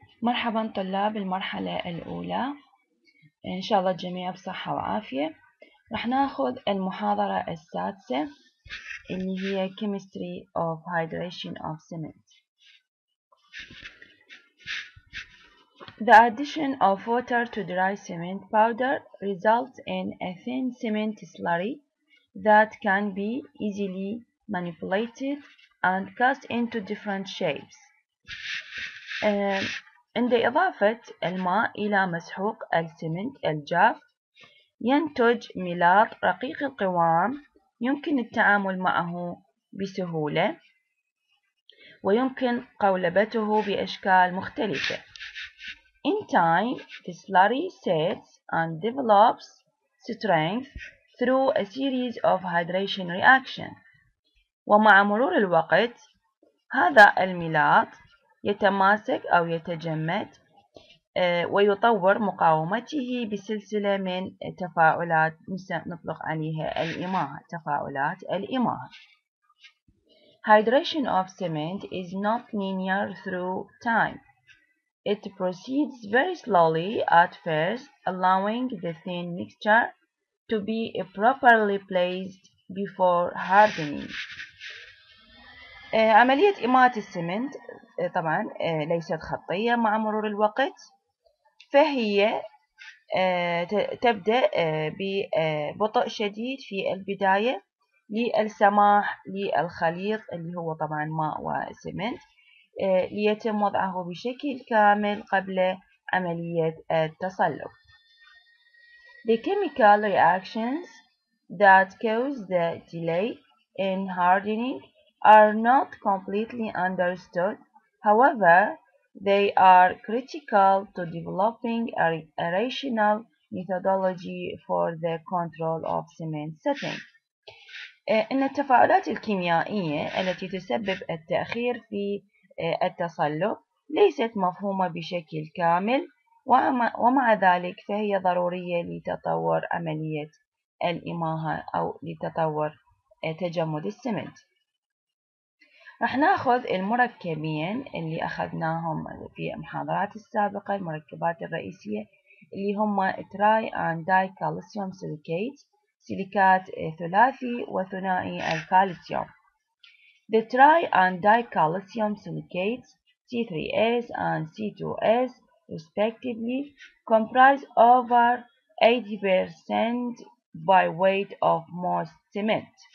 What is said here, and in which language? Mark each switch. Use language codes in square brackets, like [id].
[ar] مرحبا طلاب المرحلة الأولى، إن شاء الله الجميع بصحة وعافية. رح ناخذ المحاضرة السادسة اللي هي [en] Chemistry of Hydration of Cement. The addition of water to dry cement powder results in a thin cement slurry that can be easily manipulated and cast into different shapes. [ar] عند إضافة الماء إلى مسحوق السمنت الجاف ينتج ملاط رقيق القوام يمكن التعامل معه بسهولة ويمكن قولبته بأشكال مختلفة. [en] In time, the slurry sets and develops strength through a series of hydration reactions. [ar] ومع مرور الوقت هذا الملاط يتماسك أو يتجمد ويطور مقاومته بسلسلة من تفاعلات نطلق عليها الإماهة، تفاعلات الإماهة. [en] Hydration of cement is not linear through time. It proceeds very slowly at first, allowing the thin mixture to be properly placed before hardening. [ar] عملية إماهة السمنت طبعا ليست خطية مع مرور الوقت، فهي تبدأ ببطء شديد في البداية للسماح للخليط اللي هو طبعا ماء وسمنت ليتم وضعه بشكل كامل قبل عملية التصلب. [en] The chemical reactions that cause the delay in hardening are not completely understood. However, they are critical to developing a rational methodology for the control of cement setting. [ar] إن التفاعلات الكيميائية التي تسبب التأخير في التصلب ليست مفهومة بشكل كامل، ومع ذلك فهي ضرورية لتطور عملية الإماهة أو لتطور تجمد السمنت. رح ناخذ المركبين اللي أخذناهم في المحاضرات السابقة، المركبات الرئيسية اللي هما تراي اند داي كالسيوم سيليكات، سيليكات ثلاثي وثنائي الكالسيوم. [en] The tri and dicalcium silicates C3S and C2S respectively comprise over 80% by weight of most cement.